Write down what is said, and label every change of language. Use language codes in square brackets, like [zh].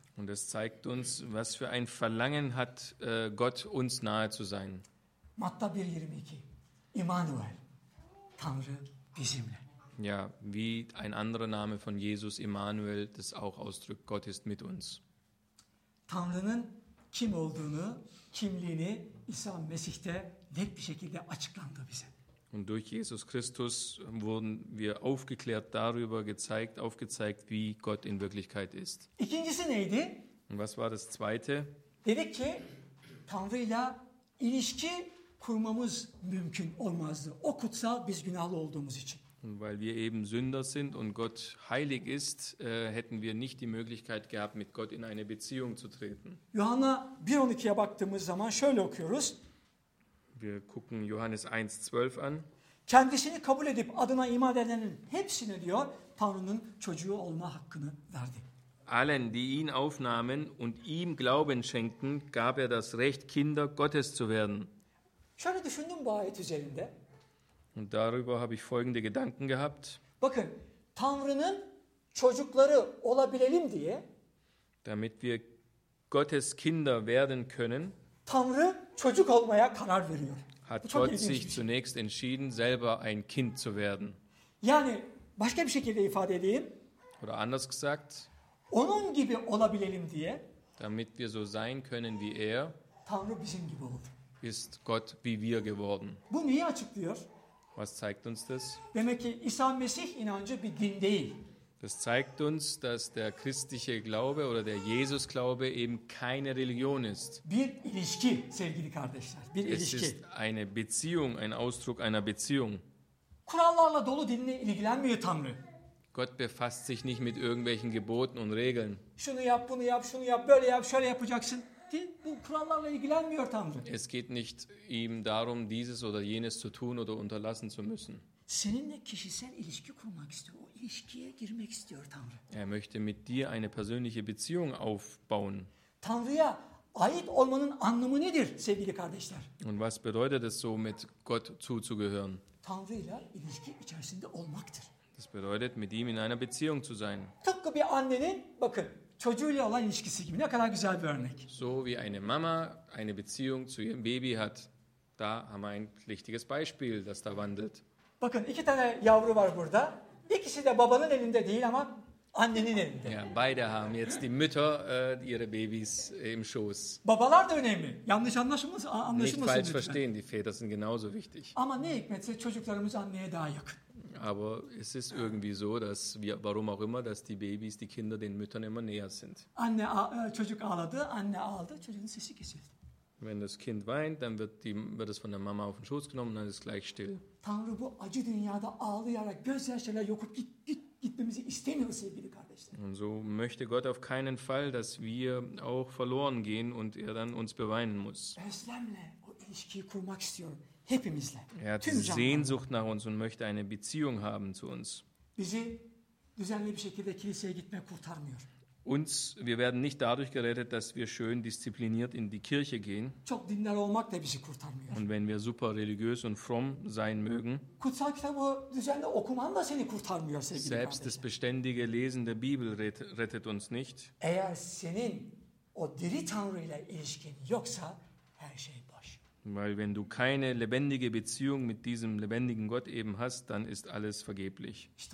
[de] Und es zeigt uns, was für ein Verlangen hat Gott uns nahe zu sein. [tr] Matta 1:22. Immanuel. Tanrı bizimle. [de] Ja, wie ein anderer Name von Jesus Immanuel das auch ausdrückt, Gott ist mit uns. [tr] Tanrı'nın kim olduğunu, kimliğini İsa Mesih'te net bir şekilde açıklandı bize. [de] Und durch Jesus Christus wurden wir aufgeklärt darüber gezeigt, aufgezeigt, wie Gott in Wirklichkeit ist. [tr] İkincisi neydi? [de] Und was war das Zweite? [tr] Dedik ki, Tanrı'yla ilişki kurmamız mümkün olmazdı. O kutsal, biz günahlı olduğumuz için. [de] Und weil wir eben Sünder sind und Gott heilig ist, hätten wir nicht die Möglichkeit gehabt, mit Gott in eine Beziehung zu treten. [tr] Yuhanna 1:12'ye baktığımız zaman şöyle okuyoruz. [de] Wir gucken Johannes 1:12 an. [tr] Kendisini kabul edip adına iman edenlerin hepsine diyor Tanrı'nın çocuğu olma hakkını verdi. [de] Allen, die ihn aufnahmen und ihm Glauben schenkten, gab er das Recht, Kinder Gottes zu werden. [tr] Şöyle düşündüm bu ayet üzerinde. [de] Und darüber habe ich folgende Gedanken gehabt. [tr] Bakın, Tanrı'nın çocukları olabilelim diye. [de] Damit wir Gottes Kinder werden können. [tr] Tanrı çocuk olmaya karar veriyor. [de] Hat Gott sich zunächst entschieden, selber ein Kind zu werden. [tr] Yani başka bir şekilde ifade edeyim. [de] Oder anders gesagt. [tr] Onun gibi olabilelim diye. [de] Damit wir so sein können wie [tr] Tanrı bizim gibi oldu. [de] Ist Gott wie wir geworden. [tr] Bu niye açıklıyor? [de] Was zeigt uns das? [tr] Demek ki İsa Mesih inancı bir din değil. [de] Das zeigt uns, dass der christliche Glaube oder der Jesus-Glaube eben keine Religion ist. [tr] Bir ilişki, sevgili kardeşler. Bir [de] es [tr] ilişki. [de] Ist eine Beziehung, ein Ausdruck einer Beziehung. [tr] Kurallarla dolu dinle ilgilenmiyor Tanrı. [de] Gott befasst sich nicht mit irgendwelchen Geboten und Regeln. [tr] Şunu yap, bunu yap, şunu yap, böyle yap, şöyle yapacaksın. Bu kurallarla ilgilenmiyor Tanrı. [de] Es geht nicht ihm darum, dieses oder jenes zu tun oder unterlassen zu müssen. [tr] Seninle kişisel ilişki kurmak istiyor. O ilişkiye girmek istiyor Tanrı. [de] Er möchte mit dir eine persönliche Beziehung aufbauen. [tr] Tanrı'ya ait olmanın anlamı nedir sevgili kardeşler? [de] Und was bedeutet es so, mit Gott zuzugehören? [tr] Tanrı'yla ilişki içerisinde olmaktır. [de] Das bedeutet, mit ihm in einer Beziehung zu sein. [tr] Tıpkı bir annenin, bakın, çocuğuyla olan ilişkisi gibi. Ne kadar güzel bir örnek. [de] So wie eine Mama eine Beziehung zu ihrem Baby hat. Da haben wir ein richtiges Beispiel, das da wandelt. [tr] Bakın, iki tane yavru var burada. İkisi de babanın elinde değil ama annenin elinde. [de] Ja, beide haben jetzt die Mütter ihre Babys im Schoß. [tr] Babalar da önemli. Yanlış anlaşılmasın. [de] Nicht falsch verstehen, die Väter sind genauso wichtig. [tr] Ama ne hikmetse çocuklarımız anneye daha yakın. [de] Aber es ist irgendwie so, dass wir, warum auch immer, dass die Babys, die Kinder den Müttern immer näher sind. [tr] Anne, çocuk ağladı, anne ağladı, çocuğun sesi kesildi. [de] Wenn das Kind weint, dann wird es von der Mama auf den Schoß genommen und dann ist es gleich still. [tr] Tanrı bu acı dünyada ağlayarak gözyaşlarıyla yokup gitmemizi istemiyor sevgili kardeşler. [de] Und so möchte Gott auf keinen Fall, dass wir auch verloren gehen und er dann uns beweinen muss. [tr] Özlemle o ilişkiyi kurmak istiyorum. Hepimizle. [de] Er hat Sehnsucht nach uns und möchte eine Beziehung haben zu uns. [tr] Bizi düzenli bir şekilde kiliseye gitmek kurtarmıyor. [de] Uns, wir werden nicht dadurch gerettet, dass wir schön diszipliniert in die Kirche gehen. [tr] Çok dinler olmak da bizi kurtarmıyor. [de] Und wenn wir super religiös und fromm sein mögen. [tr] Kutsal kitabı düzenli okuman da seni kurtarmıyor sevgili kardeşim. [de] Selbst das beständige Lesen der Bibel rettet uns nicht. [tr] Eğer senin o diri Tanrı'yla ilişkin yoksa her şey. [de] Weil wenn du keine lebendige Beziehung mit diesem lebendigen Gott eben hast, dann ist alles vergeblich.